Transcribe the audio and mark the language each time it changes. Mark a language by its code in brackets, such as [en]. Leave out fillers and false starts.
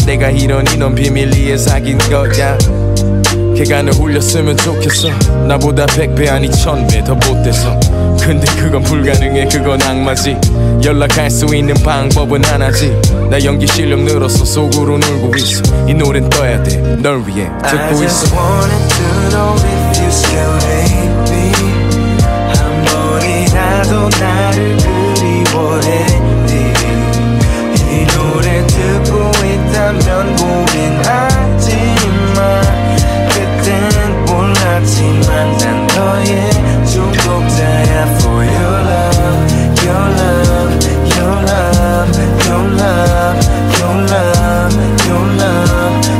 [ko] 내가 이러니 넌 비밀리에 사귄 거야. 걔가 널 울렸으면 좋겠어. 나보다 100배 아니 1000배 더 못돼서. 근데 그건 불가능해. 그건 악마지. 연락할 수 있는 방법은 하나지. 나 연기 실력 늘어서 속으로 울고 있어. 이 노래는 떠야 돼. 널 위해 듣고 있어. [en] I just wanted to know if you still hate me. [ko] 한 번이라도 나를 그리워했니. 이 노래 듣고 있다면 고민하지 마. 그땐 몰랐지만 난 너의 중독자야. [en] For your love, your love, your love, your love, your love, your love.